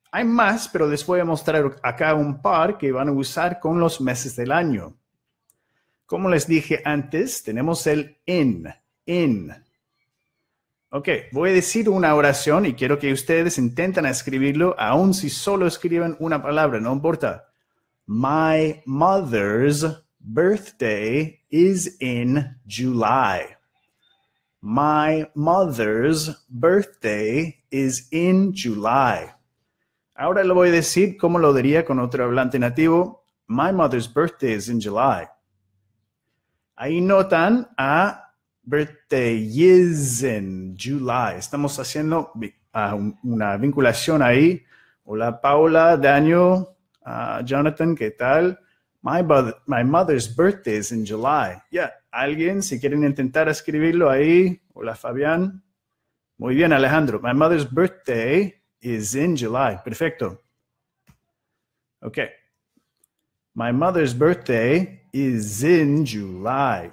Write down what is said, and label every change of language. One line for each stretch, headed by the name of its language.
Spanish: Hay más, pero les voy a mostrar acá un par que van a usar con los meses del año. Como les dije antes, tenemos el in. Ok, voy a decir una oración y quiero que ustedes intenten escribirlo, aun si solo escriben una palabra, no importa.
English: My mother's birthday is in July. My mother's birthday is in July.
Spanish: Ahora lo voy a decir como lo diría con otro hablante nativo.
English: My mother's birthday is in July.
Spanish: Ahí notan
English: a birthday is in July.
Spanish: Estamos haciendo una vinculación ahí. Hola, Paula, Daniel, Jonathan, ¿qué tal?
English: My mother's birthday is in July. Yeah.
Spanish: ¿Alguien, si quieren intentar escribirlo ahí? Hola, Fabián. Muy bien, Alejandro.
English: My mother's birthday is in July.
Spanish: Perfecto.
English: Ok. My mother's birthday is in July.